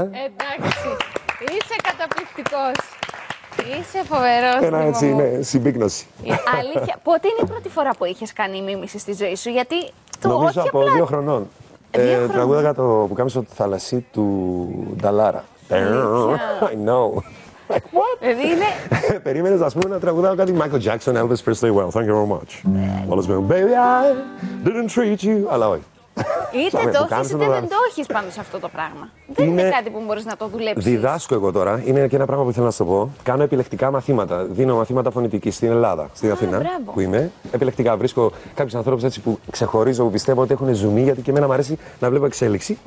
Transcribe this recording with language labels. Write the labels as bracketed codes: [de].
[el] Εντάξει, είσαι καταπληκτικός. Είσαι φοβερός. Ένα έτσι είναι, συμπίκνωση. Αλήθεια, πότε είναι η πρώτη φορά που είχες κάνει μίμηση στη ζωή σου, γιατί το νομίζω όχι από απλά... δύο χρονών. Τραγούδαγα το που κάμισε το θαλασσί του Νταλάρα. [en] I know. Like, what? [el] Δηλαδή είναι... Περίμενες, ας πούμε, να τραγουδάω κάτι Michael Jackson, Elvis Presley, [en] well, thank you very much. [el] Όλος μου, [en] baby, I didn't treat you. [el] Αλλά όχι. Είτε το έχεις, είτε δεν το έχεις πάνω σε αυτό το πράγμα. Δεν είναι κάτι που μπορείς να το δουλέψεις. Διδάσκω εγώ τώρα, είναι και ένα πράγμα που θέλω να σου πω. Κάνω επιλεκτικά μαθήματα. Δίνω μαθήματα φωνητικής στην Ελλάδα, στην Αθήνα που είμαι. Επιλεκτικά βρίσκω κάποιους ανθρώπους έτσι που ξεχωρίζω, που πιστεύω ότι έχουν ζουμί, γιατί και εμένα μου αρέσει να βλέπω εξέλιξη.